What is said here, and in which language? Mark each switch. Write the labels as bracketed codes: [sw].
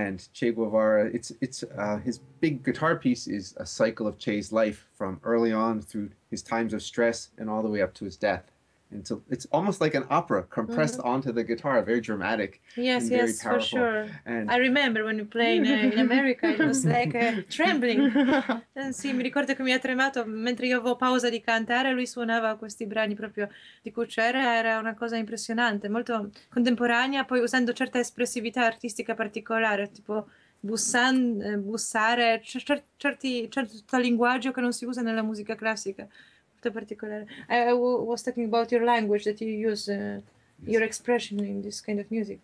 [en] And Che Guevara, his big guitar piece is a cycle of Che's life from early on through his times of stress and all the way up to his death. And so it's almost like an opera compressed mm-hmm. onto the guitar, very dramatic. Yes, and very powerful. For sure. And I remember when we played in America, it was like trembling. [it] Sì, mi ricordo che mi ha tremato mentre io avevo pausa di cantare, lui suonava questi brani proprio di Kučera. Era una cosa impressionante, molto contemporanea, poi usando certa espressività artistica particolare, tipo bussare, certo linguaggio che non si usa nella musica classica. [en] Particular. I was talking about your language that you use, your expression in this kind of music.